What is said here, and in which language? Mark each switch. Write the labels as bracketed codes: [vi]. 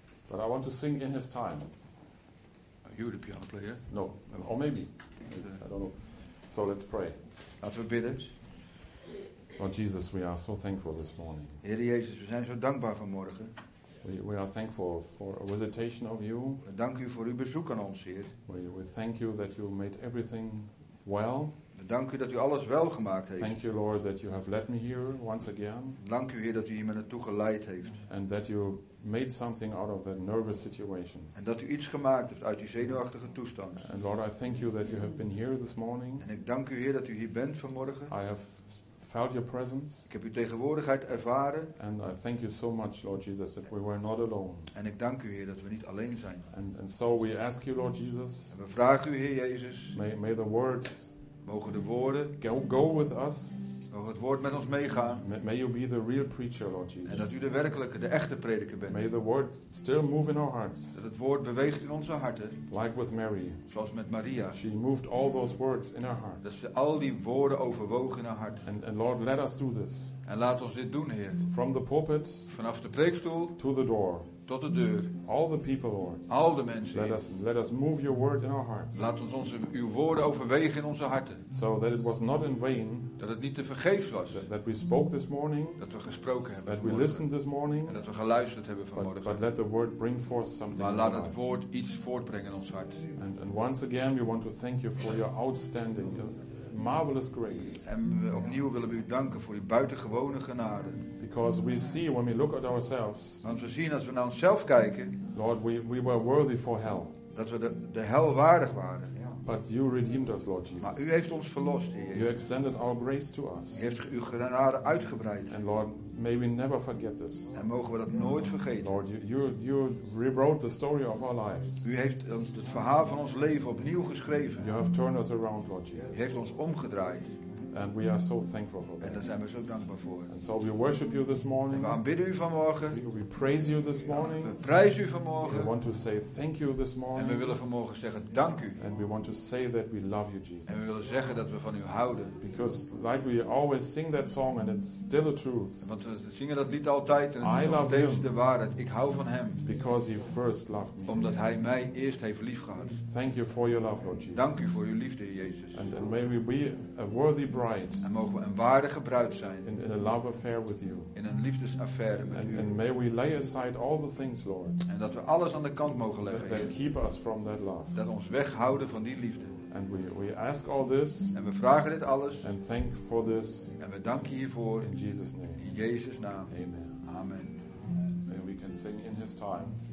[en] But I want to sing in his time. Are you the piano player? No. Or maybe. I don't know. So let's pray. [nl] Laten we bidden. [en] Lord Jesus, we are so thankful this morning. [nl] Heer Jezus, we zijn zo dankbaar vanmorgen. [en] We are thankful for a visitation of you. [nl] We danken u voor uw bezoek aan ons, Heer. [en] We thank you that you made everything well. [nl] We danken u dat u alles wel gemaakt heeft. [en] Thank you, Lord, that you have led me here once again. [nl] Dank u, Heer, dat u hier me naartoe geleid heeft. [en] And that you made something out of that nervous situation. [nl] En dat u iets gemaakt heeft uit die zenuwachtige toestand. [en] And Lord, I thank you that you have been here this morning. [nl] En ik dank u, Heer, dat u hier bent vanmorgen. [en] I have felt your presence. [nl] Ik heb uw tegenwoordigheid ervaren. [en] And I thank you so much, Lord Jesus, that we were not alone. [nl] En ik dank u, Heer, dat we niet alleen zijn. [en] And so we ask you, Lord Jesus. [nl] En we vragen u, Heer Jezus. [en] May the words [nl] mogen de woorden [en] go with us. [nl] Mag het woord met ons meegaan. [en] May you be the real preacher, Lord Jesus. [nl] En dat u de werkelijke, de echte prediker bent. [en] May the word still move in our hearts. [nl] Dat het woord beweegt in onze harten. [en] Like with Mary. [nl] Zoals met Maria. [en] She moved all those words in her heart. [nl] Dat ze al die woorden overwoog in haar hart. [en] And Lord, let us do this. [nl] En laat ons dit doen, Heer. [en] From the pulpit. [nl] Vanaf de preekstoel. [en] To the door. [nl] Tot de deur. [en] All the people, Lord. [nl] Al de mensen. [en] Let us move your word in our hearts. [nl] Laat ons uw woorden overwegen in onze harten. [en] So that it was not in vain. [nl] Dat het niet te vergeefs was. [en] That we spoke this morning. [nl] Dat we gesproken hebben. [en] That we listened this morning. [nl] En dat we geluisterd hebben vanmorgen. [en] But let the word bring forth something. [nl] Maar laat het woord iets voortbrengen in ons hart. [en] And once again, we want to thank you for your outstanding, your marvelous grace. [nl] En we opnieuw willen we u danken voor uw buitengewone genade. [en] Because we see when we look at ourselves. [nl] Want we zien als we naar onszelf kijken. [en] Lord, we were worthy for hell. [nl] Dat we de hel waardig waren. [en] Yeah. But you redeemed us, Lord Jesus. [nl] Maar u heeft ons verlost, Heer. [en] You extended our grace to us. [nl] U heeft uw genade uitgebreid. [en] And Lord, may we never forget this. [nl] En mogen we dat nooit vergeten. [en] Lord, you rewrote the story of our lives. [nl] U heeft ons het verhaal van ons leven opnieuw geschreven. [en] You have turned us around, Lord Jesus. [nl] U heeft ons omgedraaid. [en] And we are so thankful for that. [nl] En daar zijn we zo dankbaar voor. [en] And so we worship you this morning. [nl] En we aanbidden u vanmorgen. [en] We praise you this morning. [nl] We prijzen u vanmorgen. [en] We want to say thank you this morning. [nl] En we willen vanmorgen zeggen dank u. [en] And we want to say that we love you, Jesus. [nl] En we willen zeggen dat we van u houden. [en] Because like we always sing that song and it's still a truth. [nl] Want we zingen dat lied altijd en het is nog steeds de waarheid. Ik hou van hem. [en] Because he first loved me. [nl] Omdat hij mij eerst heeft lief gehad. [en] Thank you for your love, Lord Jesus. [nl] Dank u voor uw liefde, Jezus. [en] And may we be a worthy bride. [nl] En mogen we een waardige bruid zijn [en] in a love affair with you. [nl] In een liefdesaffaire met [en] u. And may we lay aside all the things, Lord. [nl] En dat we alles aan de kant mogen leggen. [en] That keep us from that love. [nl] Dat ons weghouden van die liefde. [en] And we ask all this. [nl] En we vragen dit alles. [en] And thank for this. [nl] En we danken hiervoor. [en] In Jesus' name. [nl] In Jezus' naam. [en] Amen. [nl] Amen. [en] And we can sing in His time.